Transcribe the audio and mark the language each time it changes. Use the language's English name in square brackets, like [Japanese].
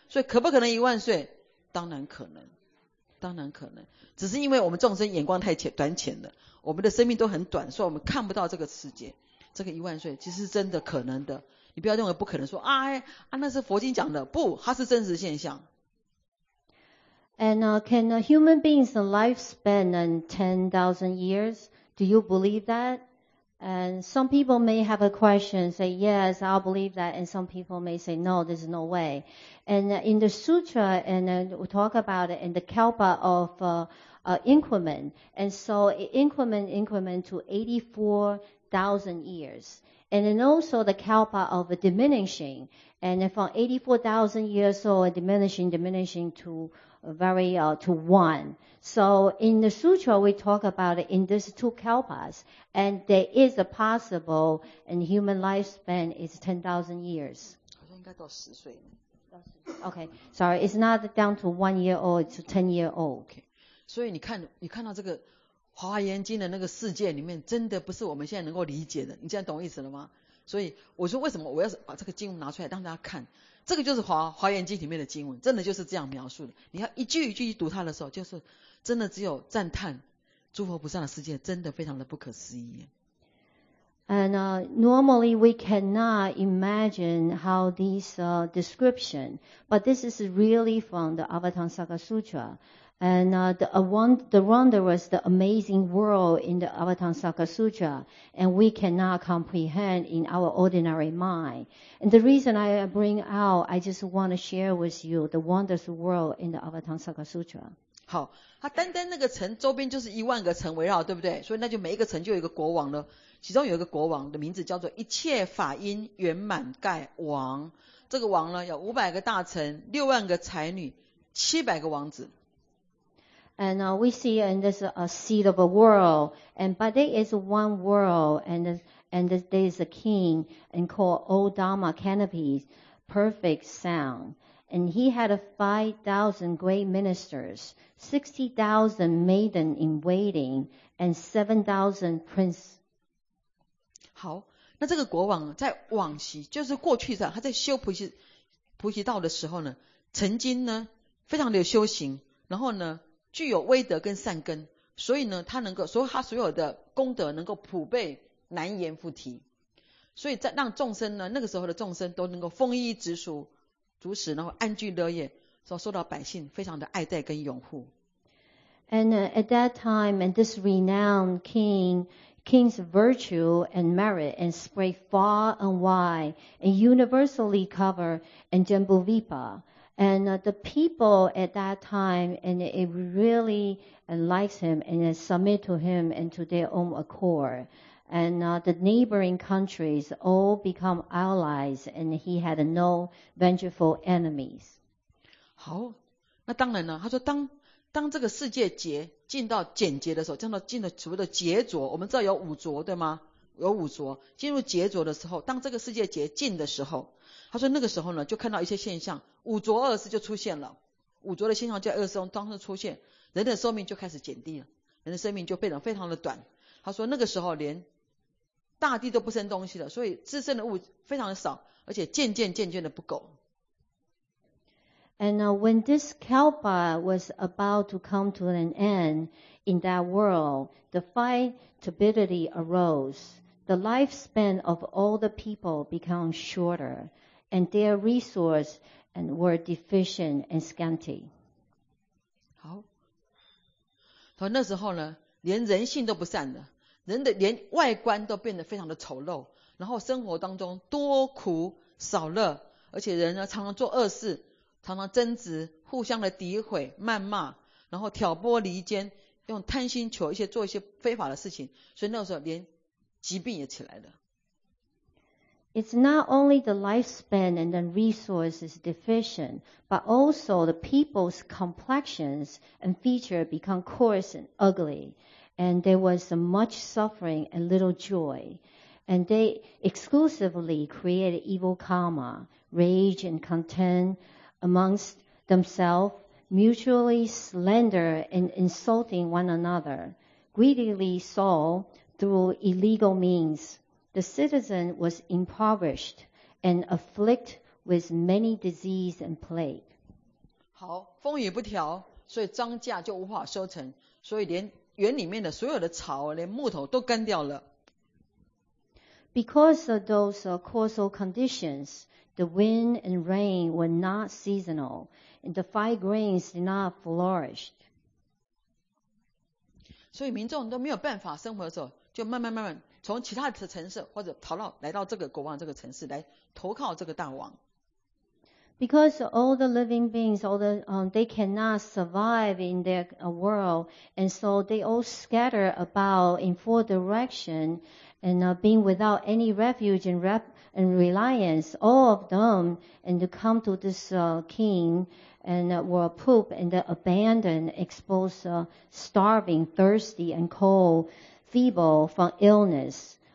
[Chinese] 所以可不可能一万岁？当然可能。当然可能，只是因为我们众生眼光太短浅了，我们的生命都很短，所以我们看不到这个世界。这个一万岁其实是真的可能的，你不要认为不可能说啊、哎、啊，那是佛经讲的，不，它是真实现象。 [English] And can a human being's lifespan and 10,000 years? Do you believe that? And some people may have a question, say yes, I'll believe that. And some people may say no, there's no way. And in the sutra, and we talk about it in the kalpa of increment. And so increment to 84,000 years. And then also the kalpa of diminishing. And from 84,000 years, so diminishing to to one. So in the sutra, we talk about it in these two kalpas. And there is a possible, and human lifespan is 10,000 years. [Chinese] 好像应该到十岁。 [English] Okay, sorry, it's not down to 1 year old, it's 10 year old. [Chinese] Okay, 所以你看到这个华严经的那个世界里面，真的不是我们现在能够理解的。你现在懂意思了吗？所以我说为什么我要把这个经文拿出来让大家看？这个就是华严经里面的经文，真的就是这样描述的。你要一句一句去读它的时候，就是真的只有赞叹诸佛菩萨的世界，真的非常的不可思议。 [English] And normally we cannot imagine how these description, but this is really from the Avatamsaka Sutra. And the wonder was the amazing world in the Avatamsaka Sutra, and we cannot comprehend in our ordinary mind. And the reason I bring out, I just want to share with you the wondrous world in the Avatamsaka Sutra. [Chinese] 好，它单单那个城周边就是一万个城围绕，对不对？所以那就每一个城就有一个国王了。其中有一个国王的名字叫做一切法音圆满盖王。这个王呢，有五百个大臣，六万个才女，七百个王子。 [English] And we see, and this is a seed of a world, and but there is one world, and there is a king, and called Old Dharma Canopy, perfect sound. And he had 5,000 great ministers, 60,000 maiden in waiting, and 7,000 prince. [Chinese] 好，那这个国王在往昔，就是过去的，他在修菩提道的时候呢，曾经呢非常的有修行，然后呢。具有威德跟善根，所以呢，他能够，所以他所有的功德能够普被难言复提，所以在让众生呢，那个时候的众生都能够丰衣足食，然后安居乐业，所受到百姓非常的爱戴跟拥护。 [English] And at that time, and this renowned king's virtue and merit and spread far and wide and universally covered and Jambuvipa. And the people at that time, and it really likes him and submit to him and to their own accord. And the neighboring countries all become allies, and he had no vengeful enemies. [Chinese] 好，那当然呢，他说当这个世界劫进到简劫的时候，进到所谓的劫浊，我们知道有五浊，对吗？有五浊，进入劫浊的时候，当这个世界劫尽的时候，他说那个时候呢，就看到一些现象，五浊恶世就出现了，五浊的现象在恶世中当时出现，人的寿命就开始减低了，人的生命就变得非常的短。他说那个时候连大地都不生东西了，所以自身的物非常的少，而且渐渐的不够。 [English] And when this Kalpa was about to come to an end in that world, the five turbidity arose. The lifespan of all the people became shorter, and their resources were deficient and scanty. [Chinese] 好，所以那时候呢，连人性都不善了，人的连外观都变得非常的丑陋，然后生活当中多苦少乐，而且人呢常常做恶事。常常争执，互相的诋毁、谩骂，然后挑拨离间，用贪心求一些做一些非法的事情，所以那个时候连疾病也起来了。 [English] It's not only the lifespan and the resources deficient, but also the people's complexions and feature become coarse and ugly, and there was much suffering and little joy, and they exclusively created evil karma, rage and contentAmongst themselves, mutually slander and insulting one another, greedily sold through illegal means. The citizen was impoverished and afflicted with many diseases and plague. [Chinese] 好，风雨不调，所以庄稼就无法收成，所以连园里面的所有的草，连木头都干掉了。 [English] Because of those causal conditions,The wind and rain were not seasonal, and the five grains did not flourish. [Chinese] 所以民众都没有办法生活的时候，就慢慢从其他的城市或者来到这个国王这个城市来投靠这个大王。 [English] Because all the living beings, all the they cannot survive in their world, and so they all scatter about in four directions, and being without any refuge and and reliance, all of them, and to come to this king, and were poop and abandoned, exposed, starving, thirsty, and cold, feeble from illness.